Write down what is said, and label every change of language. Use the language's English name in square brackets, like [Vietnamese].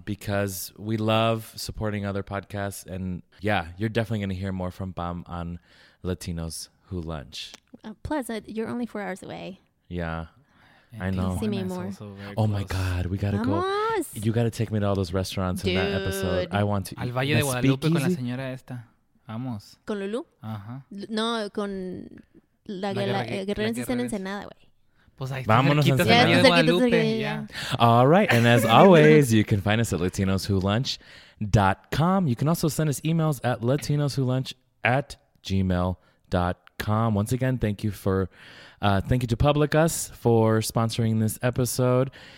[English] Because we love supporting other podcasts. And yeah, you're definitely going to hear more from Pam on Latinos Who Lunch. Plus, you're only 4 hours away. Yeah, and I know. See me more. Oh my God, we gotta [Spanish] Vamos. [English] Go. You gotta take me to all those restaurants Dude. In that episode. I want to. [Spanish] Al Valle de Guadalupe con la señora esta. Vamos. Con Lulu. Ajá. No, con la guerrera está en Ensenada, güey. Vámonos a Ensenada. [English] Yeah, yeah. All right, and as always, you can find us at latinoswholunch.com. You can also send us emails at latinoswholunch@gmail.com. Once again, thank you to Publicus for sponsoring this episode.